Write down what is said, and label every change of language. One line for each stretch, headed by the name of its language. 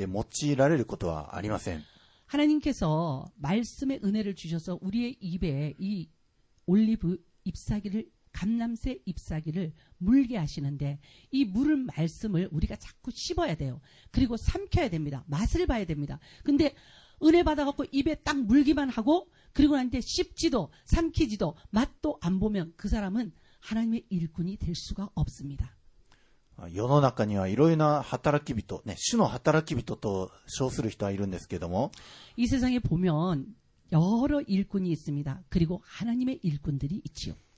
Japanese: 御言葉を蓄えない人はですね、決して働き人として用いられることはありません。
Korean: 하나님께서 말씀의 은혜를 주셔서 우리의 입에 이 올리브 잎사귀를 감람새 잎사귀를 물게 하시는데 이 물은 말씀을 우리가 자꾸 씹어야 돼요. 그리고 삼켜야 됩니다. 맛을 봐야 됩니다. 근데 은혜 받아갖고 입에 딱 물기만 하고 그리고 나한테 씹지도 삼키지도 맛도 안 보면 그 사람은 하나님의 일꾼이 될 수가 없습니다.
Japanese: 世の中にはいろいろな働き人、ね、主の働き人と称する人はいるんですけども
Korean: 이 세상에 보면 여러 일꾼이 있습니다. 그리고 하나님의 일꾼들이 있지요.